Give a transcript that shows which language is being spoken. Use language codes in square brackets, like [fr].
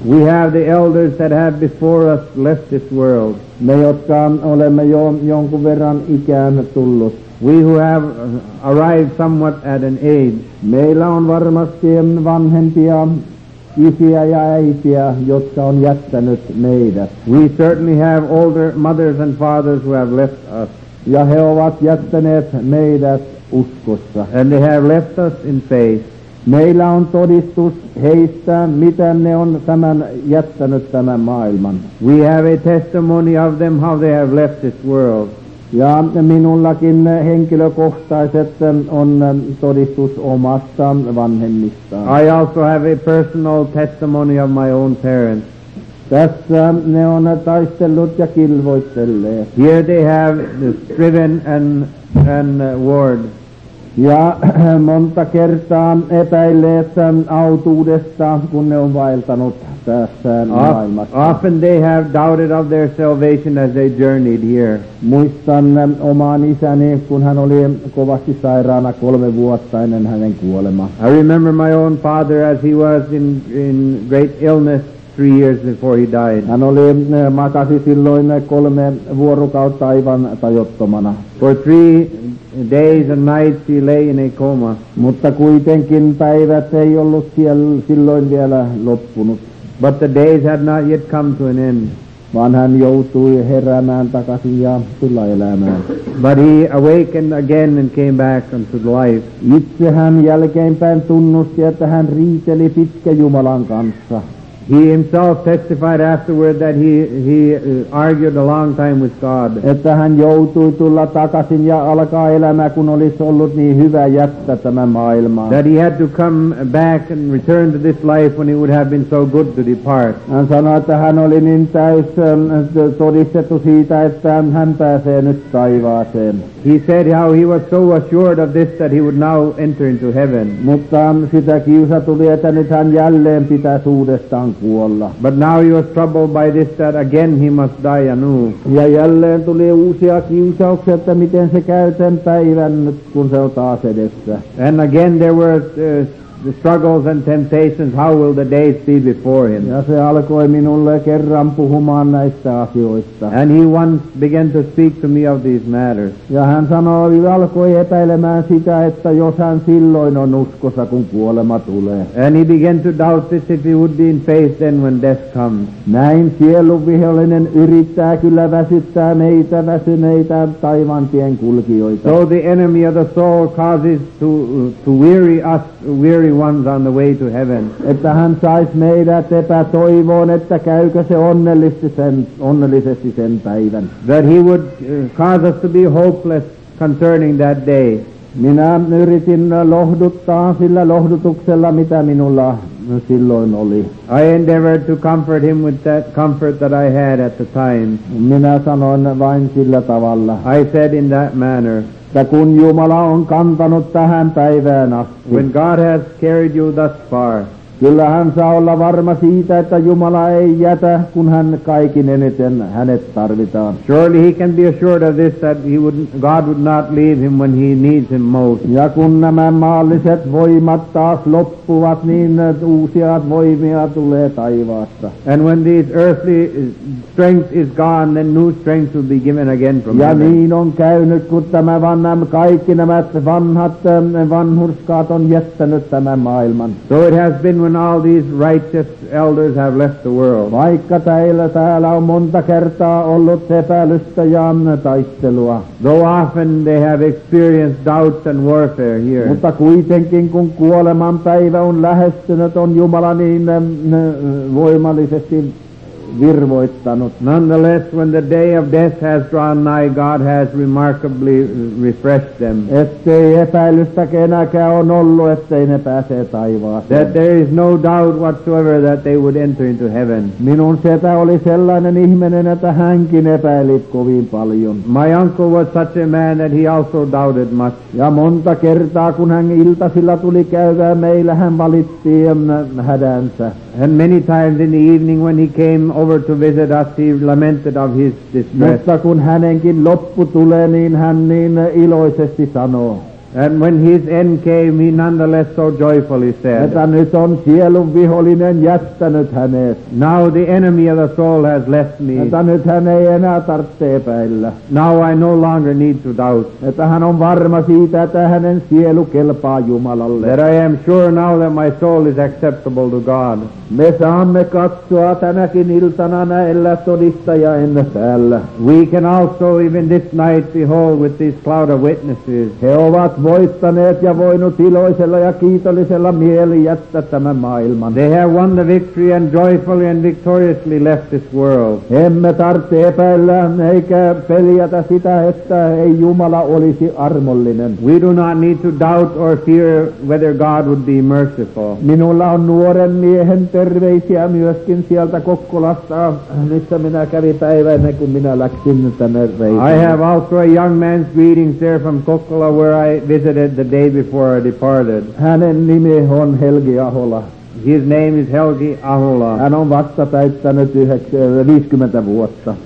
[en] We have the elders that have before us left this world. [fi] Me, jotka olemme jo jonkun verran ikään tullut. [en] We who have arrived somewhat at an age. [fi] Meillä on varmasti vanhempia isiä ja äitiä, jotka on jättänyt meidät. [en] We certainly have older mothers and fathers who have left us. [fi] Ja he ovat jättäneet meidät. Uskossa. [en] And they have left us in faith. [fi] Meillä on todistus heistä, mitä ne on tämän jättänyt tämän maailman. [en] We have a testimony of them how they have left this world. [fi] Ja minullakin henkilökohtaiset on todistus omasta vanhemmista. [en] I also have a personal testimony of my own parents. [fi] Tässä ne on taistellut ja kilvoitelleet. [en] Here they have striven and warred. [fi] Ja monta kertaa epäilleet autuudesta, kun ne on vaeltanut tässä maailmassa. [en] Often they have doubted of their salvation as they journeyed here. [fi] Muistan oman isäni, kun hän oli kovasti sairaana 3 vuotta ennen hänen kuolemaa. [en] I remember my own father as he was in great illness. 3 years before he died. [fi] Hän oli makasi silloin 3 vuorokautta aivan tajottomana. [en] For 3 days and nights he lay in a coma. [fi] Mutta kuitenkin päivät ei ollut silloin vielä loppunut. [en] But the days had not yet come to an end. [fi] Vaan hän joutui heräämään takaisin ja tulla elämään. [en] But he awakened again and came back unto life. [fi] Itse hän jälkeenpäin tunnusti, että hän riiteli pitkä Jumalan kanssa. [en] He himself testified afterward that he argued a long time with God. [fi] Että hän joutui tulla takaisin ja alkaa elämää, kun olisi ollut niin hyvä jättää tämä maailma. [en] That he had to come back and return to this life when it would have been so good to depart. [fi] Hän sanoi, että hän oli niin täys todistettu siitä, että hän pääsee nyt taivaaseen. [en] He said how he was so assured of this that he would now enter into heaven. [fi] Mutta sitä kiusa tuli, että nyt hän jälleen pitäisi uudestaan. [en] But now he was troubled by this that again he must die anew. [fi] Ja jälleen tuli uusia kiusauksia, että miten se käy sen päivän nyt, kun se on taas edessä. [en] And again there were the struggles and temptations, how will the days be before him? [fi] Ja se alkoi minulle kerran puhumaan näistä asioista. [en] And he once began to speak to me of these matters. [fi] Ja hän sanoi, että alkoi epäilemään sitä, että jos hän silloin on uskossa, kun kuolema tulee. [en] And he began to doubt this if he would be in faith then when death comes. [fi] Näin sielun vihollinen yrittää kyllä väsyttää meitä väsyneitä taivantien kulkijoita. [en] So the enemy of the soul causes to weary us, weary everyone's on the way to heaven. [fi] Että hän saisi meidät epätoivoon, että käykö se onnellisesti sen päivän. [en] That he would cause us to be hopeless concerning that day. [fi] Minä yritin lohduttaa sillä lohdutuksella, mitä minulla silloin oli. [en] I endeavored to comfort him with that comfort that I had at the time. [fi] Minä sanoin vain sillä tavalla. [en] I said in that manner. [fi] Että kun Jumala on kantanut tähän päivään asti. [en] When God has carried you thus far. [fi] Kyllä hän saa olla varma siitä, että Jumala ei jätä, kun hän kaikin eniten hänet tarvitaan. [en] Surely he can be assured of this, that God would not leave him when he needs him most. [fi] Ja kun nämä maalliset voimat taas loppuvat, niin uusia voimia tulee taivaasta. [en] And when these earthly strength is gone, then new strength will be given again from him. [fi] Ja niin on käynyt, kun kaikki nämä vanhat vanhurskaat on jättänyt tämän maailman. [en] So it has been when all these righteous elders have left the world. [fi] Vaikka täällä on monta kertaa ollut epäilystä ja taistelua. [en] Though often they have experienced doubts and warfare here. [fi] Mutta kuitenkin kun kuoleman päivä on lähestynyt, on Jumala niin voimallisesti virvoittanut. [en] Nonetheless, when the day of death has drawn nigh, God has remarkably refreshed them. [fi] Ettei epäilystäkään enääkään on ollut, ettei ne pääse taivaaseen. [en] That there is no doubt whatsoever that they would enter into heaven. [fi] Minun setä oli sellainen ihminen, että hänkin epäili kovin paljon. [en] My uncle was such a man that he also doubted much. [fi] Ja monta kertaa, kun hän iltasilla tuli käydä meillä, hän valitti hädänsä. [en] And many times in the evening when he came over to visit us, he lamented of his distress. [fi] Mutta kun hänenkin loppu tulee, niin hän niin iloisesti sanoo. [en] And when his end came, he nonetheless so joyfully said. [fi] Että nyt on sielun vihollinen jättänyt hänet. [en] Now the enemy of the soul has left me. [fi] Että nyt hän ei enää tarvitse epäillä. [en] Now I no longer need to doubt. [fi] Että hän on varma siitä, että hänen sielu kelpaa Jumalalle. [en] That I am sure now that my soul is acceptable to God. [fi] Me saamme katsoa tänäkin iltana näillä todistajien päällä. [en] We can also even this night behold with this cloud of witnesses. [fi] He ovat voittaneet ja voinut iloisella ja kiitollisella mieli jättää tämän maailman. [en] They have won the victory and joyfully and victoriously left this world. [fi] Emme tarvitse epäillä eikä peljätä sitä, että ei Jumala olisi armollinen. [en] We do not need to doubt or fear whether God would be merciful. [fi] Minulla on nuoren miehen terveisiä myöskin sieltä Kokkolasta, missä minä kävin päivä ennen kuin minä läksin tänne reisille. [en] I have also a young man's greetings there from Kokkola where I visited the day before I departed. [fi] Hänen nimi on Helgi Ahola. [en] His name is Helgi Ahola. [fi] Hän on vasta täyttänyt 50 vuotta.